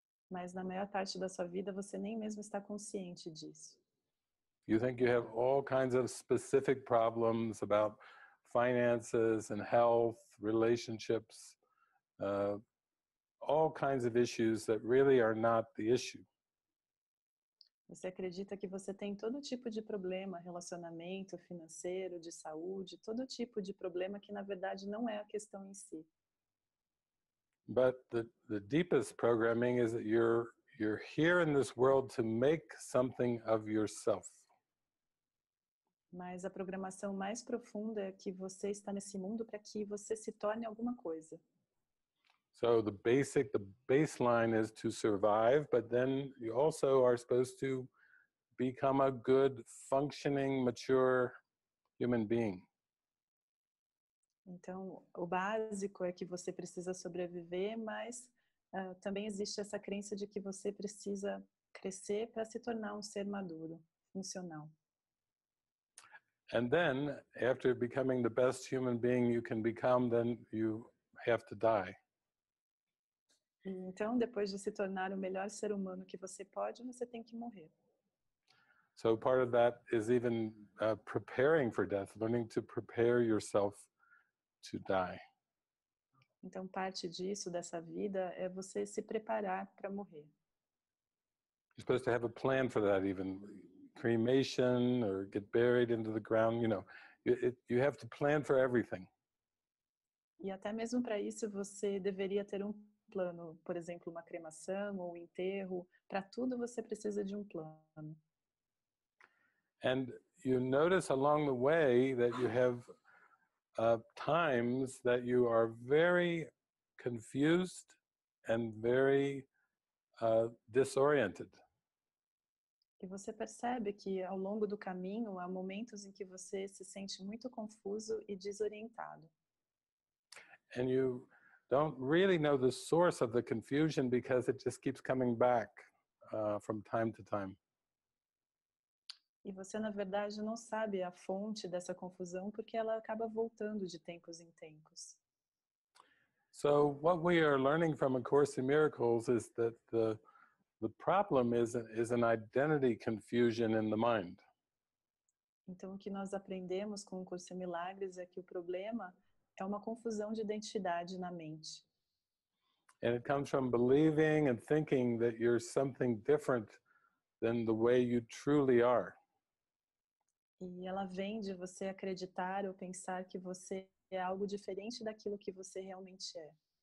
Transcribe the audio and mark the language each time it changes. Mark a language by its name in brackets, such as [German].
[Portuguese] Mas na maior parte da sua vida você nem mesmo está consciente disso. [English] You think you have all kinds of specific problems about finances and health, relationships, all kinds of issues that really are not the issue. [Portuguese] Você acredita que você tem todo tipo de problema, relacionamento, financeiro, de saúde, todo tipo de problema que na verdade não é a questão em si. [English] But the deepest programming is that you're here in this world to make something of yourself. [Portuguese] Mas a programação mais profunda é que você está nesse mundo para que você se torne alguma coisa. [English] So the baseline is to survive, but then you also are supposed to become a good, functioning, mature human being. [Portuguese] Então, o básico é que você precisa sobreviver, mas também existe essa crença de que você precisa crescer para se tornar um ser maduro, funcional. [English] And then, after becoming the best human being you can become, then you have to die. [Portuguese] Então, depois de se tornar o melhor ser humano que você pode, você tem que morrer. [English] So part of that is even preparing for death, learning to prepare yourself to die. [Portuguese] Então, parte disso, dessa vida, é você se preparar para morrer. [English] You're supposed to have a plan for that even. Cremation or get buried into the ground, you know, you have to plan for everything. [Portuguese] E até mesmo para isso você deveria ter um plano, por exemplo, uma cremação ou um enterro. Para tudo você precisa de um plano. [English] And you notice along the way that you have times that you are very confused and very disoriented. [Portuguese] E você percebe que ao longo do caminho há momentos em que você se sente muito confuso e desorientado. [English] And you don't really know the source of the confusion because it just keeps coming back from time to time. [Portuguese] E você na verdade não sabe a fonte dessa confusão porque ela acaba voltando de tempos em tempos. [English] So what we are learning from A Course in Miracles is that the problem is an identity confusion in the mind. [Portuguese] Então, o que nós aprendemos com o Curso em Milagres é que o problema é uma confusão de identidade na mente. [English] And it comes from believing and thinking that you're something different than the way you truly are. [Portuguese] E ela vem de você acreditar ou pensar que você é algo diferente daquilo que você realmente é.